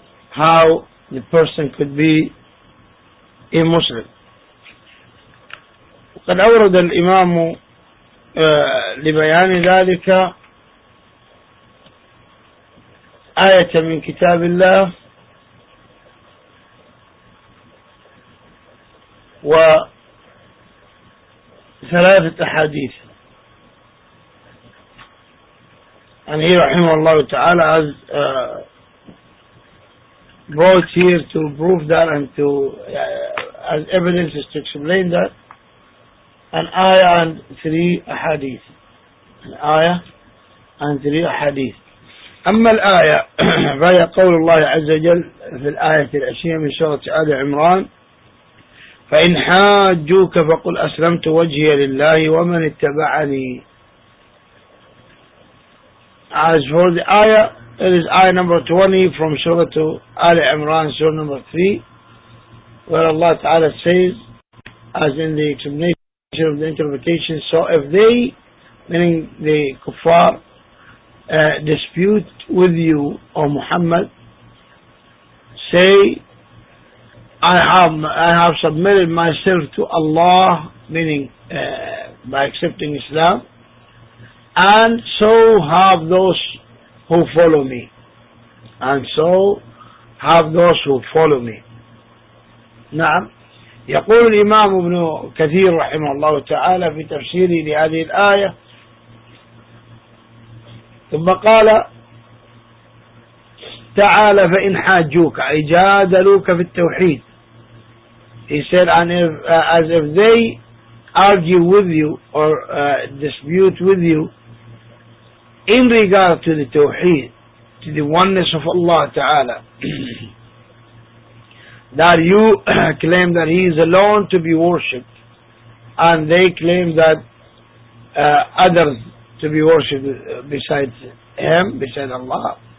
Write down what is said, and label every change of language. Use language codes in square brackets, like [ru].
[en] How the person could be a Muslim. [ar] قد أورد الإمام لبيان ذلك آية من كتاب الله، وثلاثة أحاديث. [en] And he, rahimahullah ta'ala, has brought here to prove that and to as evidence is to explain that an ayah and three ahadith. An ayah and three ahadith. [ar] أما الآية فهي قول الله عز وجل في الآية العشرية من سورة آل عمران، فإن حاجوك فقل أسلمت وجهي لله ومن اتبعني. [en] As for the ayah, it is ayah number 20 from Surah to Ali Imran, Surah number 3, where Allah Ta'ala says, as in the explanation of the interpretation, so if they, meaning the kuffar, dispute with you, O Muhammad, say, I have submitted myself to Allah, meaning by accepting Islam, and so have those who follow me. And so have those who follow me. [ar] نعم. يقول الإمام ابن كثير رحمه الله تعالى في تفسيره لهذه الآية، ثم قال تعالى فإن حاجوك، أي جادلوك في التوحيد. [en] He said, and if, as if they argue with you or dispute with you in regard to the Tawheed, to the oneness of Allah Ta'ala, that you claim that He is alone to be worshipped, and they claim that others to be worshipped besides Him, besides Allah.